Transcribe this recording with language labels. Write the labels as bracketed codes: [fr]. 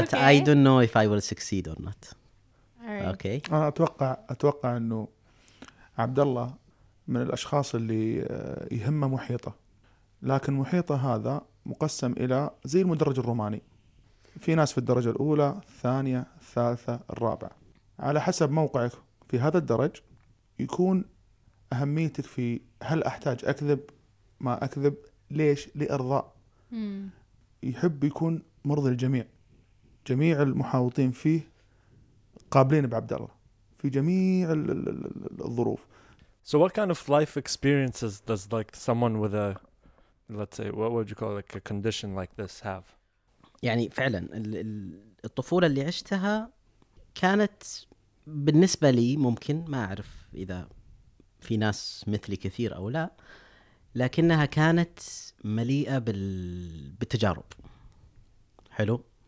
[en] But I don't know if I will succeed or not. Alright. Okay. [ar] أنا أتوقع إنه عبد الله من الأشخاص اللي يهمه محيطه لكن محيطه هذا مقسم إلى زي المدرج الروماني في ناس في الدرجة الأولى الثانية الثالثة الرابعة على حسب موقعك في هذا الدرج يكون أهميتك في هل أحتاج أكذب ما أكذب ليش لإرضاء يحب يكون مرضي الجميع جميع المحاوطين فيه قابلين بعبد الله في جميع الظروف [en] So what kind of life experiences does like someone with a, let's say, what would you call like a condition like this have? [ar] يعني فعلا الطفولة اللي عشتها كانت بالنسبة لي ممكن ما أعرف إذا في ناس مثلي كثير أو لا لكنها كانت مليئة بالتجارب حلو